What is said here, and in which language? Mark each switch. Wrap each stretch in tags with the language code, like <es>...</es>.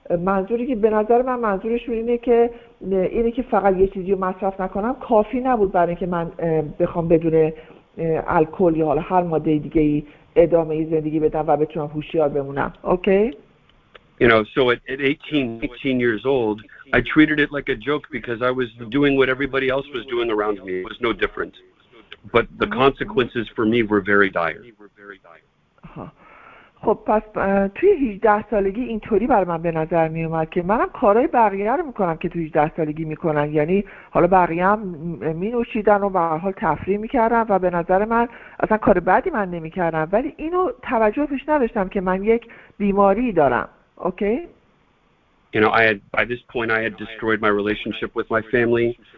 <fa>منظوری که به نظر من منظورش اینه که فقط یه چیزی رو مصرف نکنم کافی نبود برای اینکه من بخوام بدون الکل یا حالا هر ماده دیگه ای ادامه ای زندگی بدم و بتونم هوشیار بمونم.</fa> <en>Okay? You know, so at 18 years old, I treated it like a joke because I was doing what everybody else was doing around me. It was no different. But the consequences for me were very dire.</en> <fa>خب پس توی 18 سالگی اینطوری برای من به نظر می اومد که منم کارهای بقیه رو میکنم که توی 18 سالگی میکنن، یعنی حالا بقیه هم می نوشیدن و به هر حال تفریح میکردن و به نظر من اصلا کار بعدی من نمیکردم، ولی اینو توجه پیش نداشتم که من یک بیماری دارم.</fa> <en>Okay? You know, I had, by this point, I had destroyed my relationship with my family.</en>